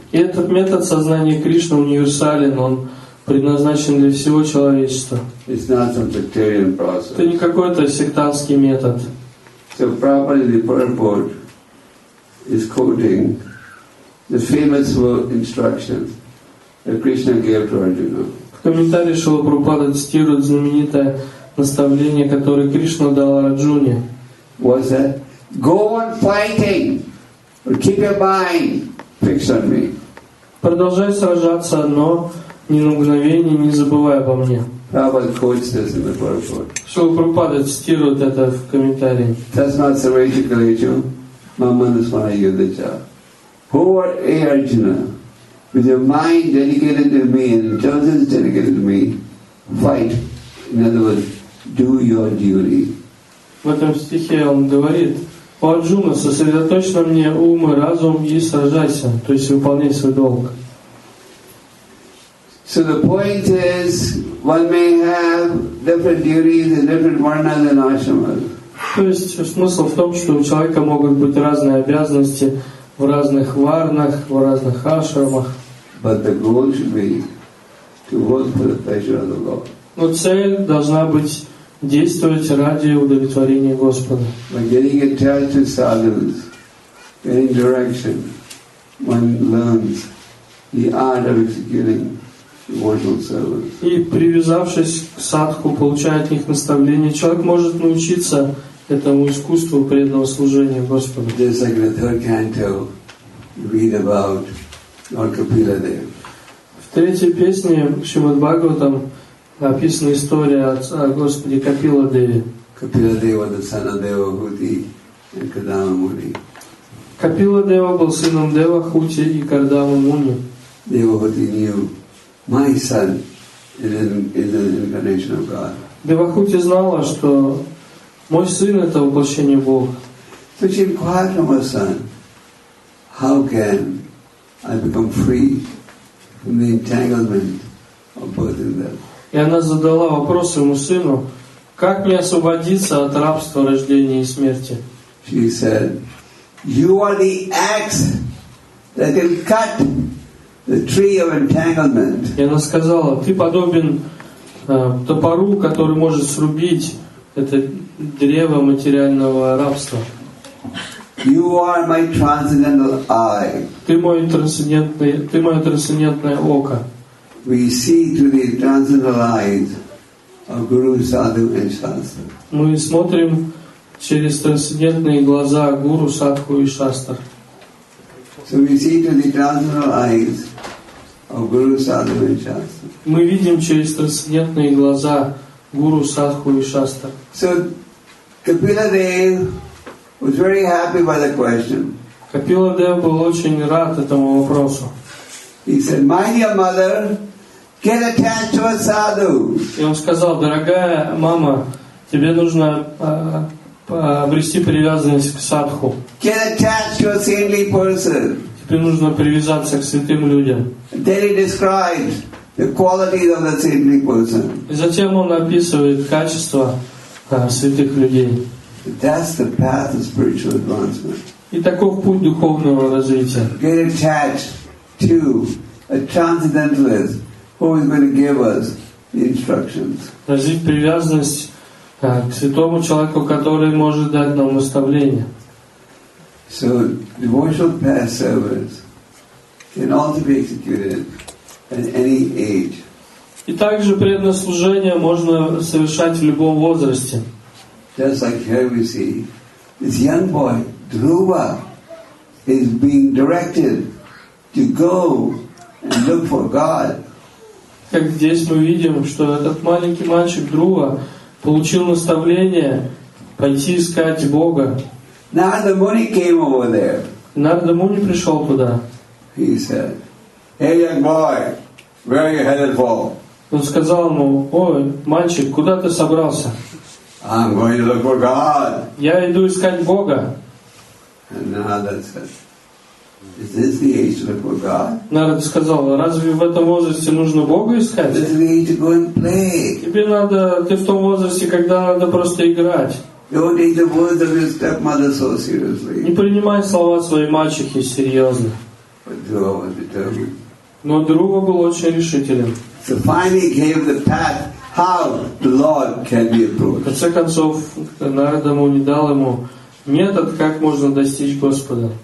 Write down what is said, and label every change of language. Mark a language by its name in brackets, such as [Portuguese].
[Russian] И этот метод сознания Кришны универсален, он предназначен для всего человечества. [English] It's not some sectarian process. [Russian] Это не какой-то сектантский метод. [English] So properly the purport is quoting The famous instructions that Krishna gave to Arjuna. [Russian] В комментарии Шрила Прабхупада цитирует знаменитое наставление, которое Кришна дал Арджуне. [English] Was that? Go on fighting, or keep your mind fixed on me. [Russian] Продолжай сражаться, но ни на мгновение не забывай обо мне. [English] Prabhupada quotes this in the Purport. [Russian] Шрила Прабхупада цитирует это в комментарии. That's not Sarvesha Kalyajo. Mamanaswana Yudhaja. [English] Who are Arjuna? With your mind dedicated to me and intelligence dedicated to me, fight. In other words, do your duty. [Russian] В этом стихе он говорит, «О Арджуна, сосредоточь на мне ум и разум и сражайся», то есть выполняй свой долг. [English] So the point is, one may have different duties and different varnas and ashramas. [Russian] То есть смысл в том, что у человека могут быть разные обязанности в разных варнах, в разных ашрамах. [English] But the goal should be to work for the pleasure of the Lord. [Russian] Но цель должна быть действовать ради удовлетворения Господа. [English] By getting attached to sadhus, getting direction, one learns the art of executing devotional service. [Russian] И привязавшись к садху, получая от них наставление, человек может научиться этому искусству преданного служения Господу. [English] Just like in the third canto, you read about Lord Kapila there. [Russian] В третьей песне Шримад Бхагаватам описана история о Господе Капиладеве. [English] Капиладева, the son of Дева Хути and Кардама Муни. [Russian] Капиладева был сыном Дева Хути и Кардама Муни. [English] Дева Хути knew, my son is an incarnation of God. [Russian] Дева Хути знала, что мой сын это воплощение Бога. [English] So she inquired from her son, how can I become free from the entanglement of birth and death? [Russian] И она задала вопрос своему сыну, как мне освободиться от рабства рождения и смерти. [English] She said, you are the axe that can cut the tree of entanglement. [Russian] И она сказала, ты подобен топору, который может срубить это древо материального рабства. [English] You are my transcendental eye. [Russian] Ты мое трансцендентное око. [English] We see through the transcendental eyes of Guru, Sadhu, and Shastra. [Russian] Мы смотрим через трансцендентные глаза Гуру, Садху и Шастр. [English] So we see through the transcendental eyes of Guru, Sadhu, and Shastra. [Russian] Мы видим через трансцендентные глаза Гуру, Садху и Шастр. [English] So Kapiladev was very happy by the question. [Russian] Kapiladev был очень рад этому вопросу. [English] He said, "My dear mother, get attached to a sadhu." [Russian] И он сказал, дорогая мама, тебе нужно обрести привязанность к садху. [English] Get attached to a saintly person. [Russian] Тебе нужно привязаться к святым людям. [English] Then he describes the qualities of the saintly person. [Russian] И затем он описывает качества святых людей. [English] That's the path of spiritual advancement. [Russian] И таков путь духовного развития. [English] Get attached to a transcendentalist who is going to give us the instructions. [Russian] Развить привязанность к святому человеку, который может дать нам наставление. [English] So devotional path service can also be executed at any age. [Russian] И также преданное служение можно совершать в любом возрасте. [English] Just like here we see, this young boy, Dhruva, is being directed to go and look for God. [Russian] Как здесь мы видим, что этот маленький мальчик Друва получил наставление пойти искать Бога. [English] Narada Muni came over there. [Russian] Narada Muni пришел туда. [English] He said, "Hey, young boy, where are you headed for?" [Russian] Он сказал ему, "Ой, мальчик, куда ты собрался?" [English] I'm going to look for God. [Russian] Я иду искать Бога. [English] And Narada said, is this the age to look for God? [Russian] Narada сказал, разве в этом возрасте нужно Бога искать? [English] This is the age to go and play. [Russian] Тебе надо, ты в том возрасте, когда надо просто играть. [English] Don't take the words of your stepmother so seriously. [Russian] Не принимай слова своей мачехи серьезно. [English] But Dhruva was determined. [Russian] Но Друва был очень решителен. [English] So finally gave the path how the Lord can be approached. [Russian] В конце концов, Нарада Муни дал ему метод, как можно достичь Господа.